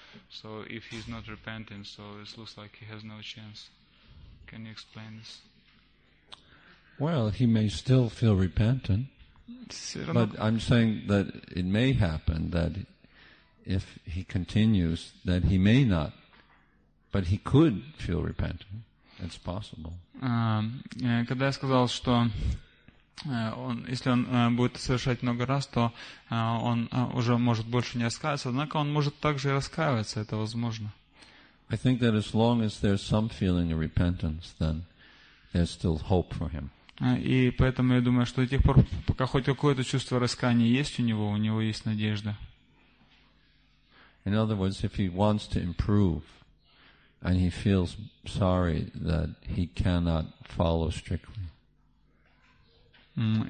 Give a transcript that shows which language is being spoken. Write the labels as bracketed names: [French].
[English] So if he's not repenting, so it looks like he has no chance. Can you explain this? Well, he may still feel repentant, but I'm saying that it may happen that if he continues, that he may not, but he could feel repentant. It's possible. [Russian] Когда я сказал, что он, если он будет совершать много раз, то он уже может больше не раскаиваться, однако он может также и раскаиваться, это возможно. [English] I think that as long as there's some feeling of repentance, then there's still hope for him. [Russian] И поэтому я думаю, что до тех пор, пока хоть какое-то чувство раскаяния есть у него есть надежда. [English] In other words, if he wants to improve, and he feels sorry that he cannot follow strictly.